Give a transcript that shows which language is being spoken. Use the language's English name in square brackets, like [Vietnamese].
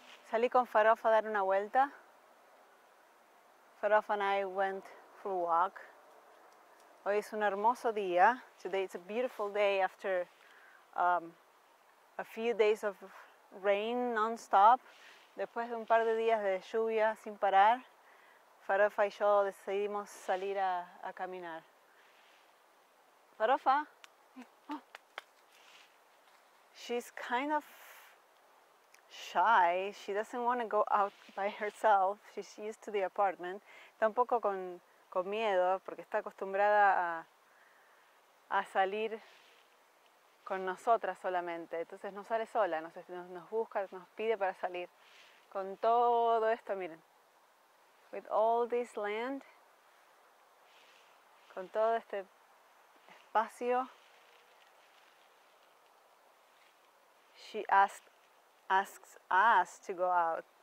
[Spanish] Salí con Farofa a dar una vuelta. [English] Farofa and I went for a walk. [Spanish] Hoy es un hermoso día. [English] Today it's a beautiful day after a few days of rain non-stop. [Spanish] Después de un par de días de lluvia sin parar, Farofa y yo decidimos salir a caminar. [English] Farofa, she's kind of shy. She doesn't want to go out by herself. She's used to the apartment. [Spanish] Está un poco con miedo porque está acostumbrada a salir con nosotras solamente. Entonces no sale sola, nos busca, nos pide para salir. Con todo esto, miren. [English] With all this land, [Spanish] con todo este espacio, [English] she asks us to go out.